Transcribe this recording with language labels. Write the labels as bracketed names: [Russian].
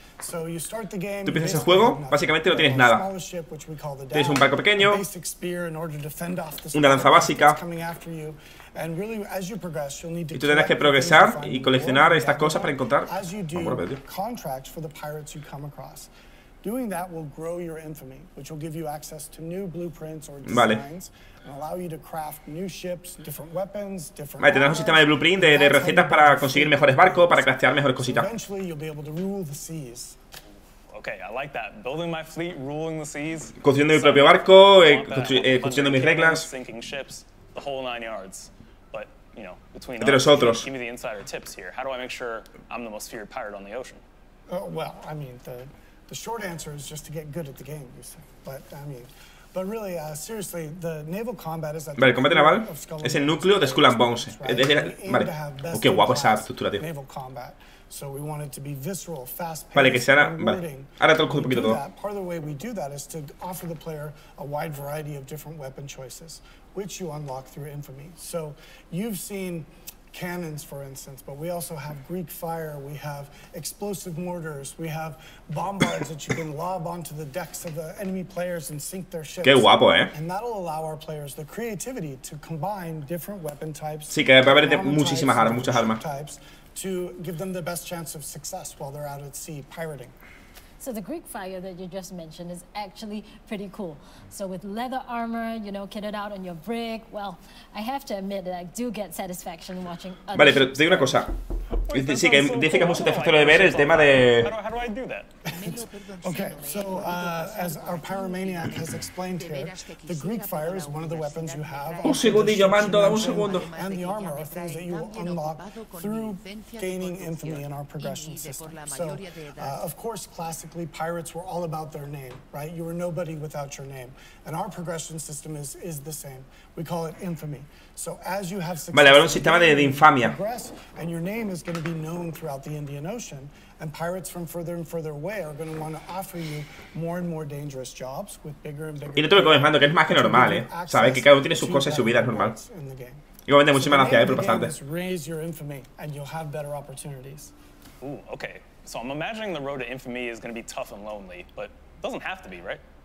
[Spanish] Tú empiezas el juego, básicamente no tienes nada. Tienes un barco pequeño, una lanza básica, y tú tendrás que progresar y coleccionar estas cosas para encontrar [English] contracts for the pirates you come across. Doing that will grow your infamy, which will give you access to new blueprints or designs, [Spanish] vale. [English] And allow you to craft new ships, different weapons, different. [Spanish] Vale, tendrás un sistema de blueprint de recetas para conseguir mejores barcos, para craftear mejores cositas. [English] Eventually, you'll be able to rule the seas. Okay, I like that. Building my fleet, ruling the seas. [Spanish] Construyendo mi propio barco, construyendo mis reglas. [English] Sinking ships, the whole nine yards. But you know, between [Spanish] entre [English] us, [Spanish] otros. [English] Give me the insider tips here. How do I make sure I'm the most feared pirate on the ocean? Well, I mean the. The short answer is just to get good at the game, you say. But I mean, but really, seriously, the naval combat is [Spanish] vale, el combate naval es el núcleo de Skull and Bones. Vale. Oh, qué guapo esa estructura, tío. [English] Naval combat. So we want it to be visceral, fast. [Spanish] Vale, que sea, vale. Ahora toco un poquito todo. [English] Part of the way we do that is to offer the player a wide variety of different weapon choices, which you unlock through infamy. So you've seen cannons, for instance, but we also have Greek fire, we have explosive mortars, we have bombards that you can lob onto the decks of the enemy players and sink their ships. [Spanish] Qué guapo, eh? [English] And that'll allow our players the creativity to combine different weapon types. [Spanish] Sí, que va a haber muchísimas armas, muchas armas. [English] To give them the best chance of success while they're out at sea pirating. So the Greek fire that you just mentioned is actually pretty cool. So with leather armor, you know, kitted out on your brig, well, I have to admit that I do get satisfaction watching other. [Spanish] Vale, pero te digo una cosa. Wait, sí, que so dice cool. Que es muy satisfactorio de ver el tema de. [English] How do I do that? Okay, so as our pyromaniac has explained here, the Greek fire is one of the weapons you have. [Spanish] Un segundillo, mando, dame un segundo. [English] And the armor are things that you unlock through gaining infamy in our progression system. So, of course, classically, pirates were all about their name, right? You were nobody without your name. And our progression system is the same. We call it infamy. So as you have success, [Spanish] vale, habrá un sistema de infamia. [English] And your name is going to be known throughout the Indian Ocean. And pirates from further and further away are going to want to offer you more and more dangerous jobs with bigger and bigger. [Spanish] Y no te lo comes mando, que es más que normal, ¿eh? Sabes que cada uno tiene sus cosas y su vida, es normal. Igualmente, muchísimas gracias, por pasarte. [English] Raise your infamy, and you'll have better opportunities. Ooh, okay. So I'm imagining the road to infamy is going to be tough and lonely, but it doesn't have to be, right?